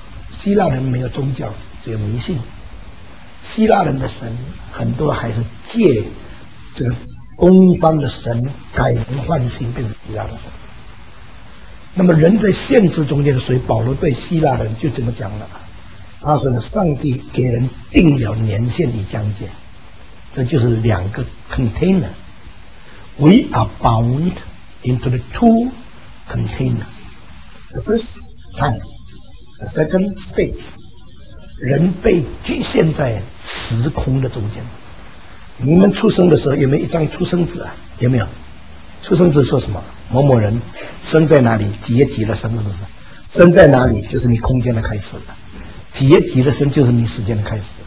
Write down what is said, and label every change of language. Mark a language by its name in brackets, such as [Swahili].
[Chinese] 希腊人没有宗教，只有迷信。希腊人的神很多还是借这东方的神改名换姓变成希腊的神。那么人在限制中间，所以保罗对希腊人就这么讲了，他说呢，上帝给人定了年限与疆界，这就是两个 container。 [English] We are bound into the two containers, the first time, the second space。 [Chinese] 人被局限在时空的中间。你们出生的时候有没有一张出生纸啊？有没有出生纸？说什么某某人生在哪里，几月几日生，是不是？生在哪里就是你空间的开始了，几月几日生就是你时间的开始。